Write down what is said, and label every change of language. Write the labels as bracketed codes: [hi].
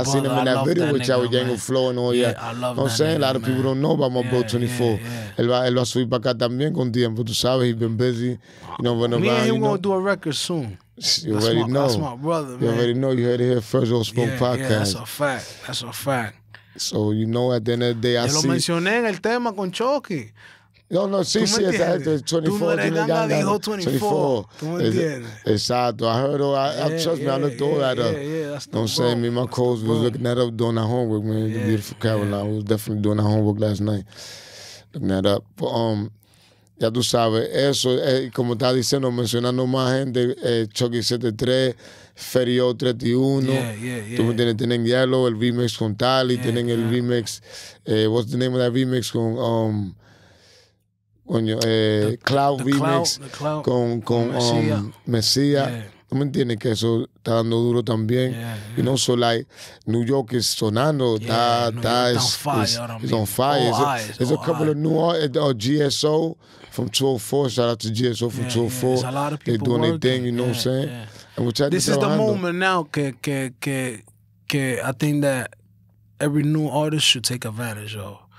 [en] I've seen him in that video with y'all, with Django Flow and all that. Yeah, I love you know that. I'm saying a lot of people don't know about my boy 24. [es] Él va a subir para acá también con tiempo, tú sabes. [en] He's been busy. You know, when me and him going to do a record soon. You already know. That's my brother, man. You already know. You heard it here first. All Spoke podcast. Yeah, that's a fact. That's a fact. So, you know, at the end of the day, I see. [es] Yo lo mencioné en el tema con Chucky. No, sí, es 24. Tú no eres ganga, dijo 24. 24. ¿Tú me entiendes? Exacto. [en] I heard all, trust me, I looked all that up. Don't say me, my coach was looking that up, doing that homework, man. The beautiful Caroline. I was definitely doing that homework last night. Looking that up. But [es] Ya tú sabes, eso, como está diciendo, mencionando más gente, Chucky 73, Ferio 31. [en] Yeah, yeah, yeah. [es] Tienen Yellow, el remix con Tali, [en] yeah, [es] tienen el remix, [en] what's the name of that remix [es] con... Coño, Cloud Remix con Mesía. No me entiendes que eso está dando duro también. [en] Yeah, you know, so like, New York is [es] sonando. [en] It's on fire. There's a couple of new artists, GSO from 204. Shout out to GSO from 204. Yeah, a lot of people. They're doing their thing, you know what I'm saying? Yeah. And we're trying this to is [es] trabajando. [en] The moment now [es] que [en] I think that every new artist should take advantage of.